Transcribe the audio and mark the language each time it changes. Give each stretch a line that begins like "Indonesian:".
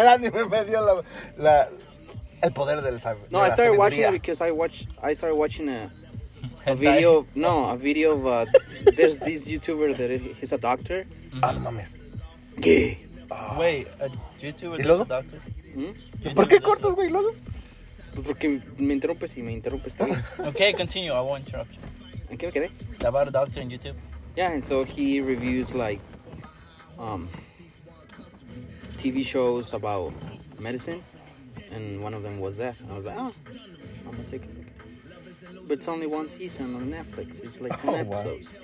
Spanish: El anime me dio la el poder del sabiduría.
English: I started sabiduría. Watching it because I started watching a video of there's this YouTuber that he's a doctor.
Spanish: Mm-hmm. Ah, no mames. ¿Qué?
English: Wait, a YouTuber that's a doctor?
Spanish: ¿Por qué cortas, güey, luego? Pues porque me interrumpes y me interrumpes también.
English: Okay, continue, I won't interrupt you.
Spanish: ¿En qué me quedé?
English: About a doctor in YouTube. Yeah, and so he reviews, like, TV shows about medicine. And one of them was that. And I was like, oh, I'm gonna take it. But it's only one season on Netflix. It's like 10 episodes.